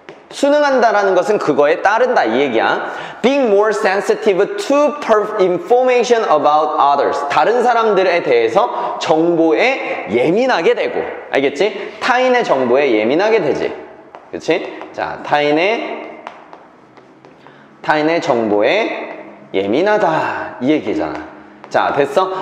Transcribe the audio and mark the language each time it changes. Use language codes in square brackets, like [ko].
[ko] 순응한다라는 것은 그거에 따른다 이 얘기야. [en] Being more sensitive to information about others. [ko] 다른 사람들에 대해서 정보에 예민하게 되고. 알겠지? 타인의 정보에 예민하게 되지. 그치? 자, 타인의 타인의 정보에 예민하다. 이 얘기잖아. 자, 됐어?